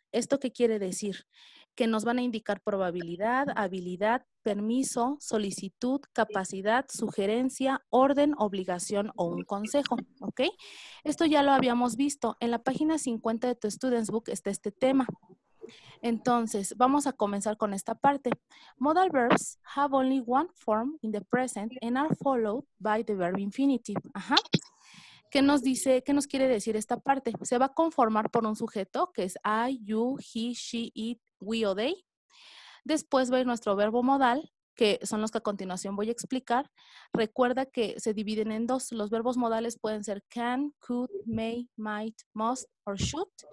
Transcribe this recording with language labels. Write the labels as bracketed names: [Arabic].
[Spanish] ¿Esto qué quiere decir? Que nos van a indicar probabilidad, habilidad, permiso, solicitud, capacidad, sugerencia, orden, obligación o un consejo, ¿ok? Esto ya lo habíamos visto. En la página 50 de tu Students Book está este tema. Entonces, vamos a comenzar con esta parte. [English] Modal verbs have only one form in the present and are followed by the verb infinitive. [Spanish] Ajá. ¿Qué nos dice, qué nos quiere decir esta parte? Se va a conformar por un sujeto que es I, you, he, she, it, we o they. Después va a ir nuestro verbo modal, que son los que a continuación voy a explicar. Recuerda que se dividen en dos. Los verbos modales pueden ser can, could, may, might, must or should.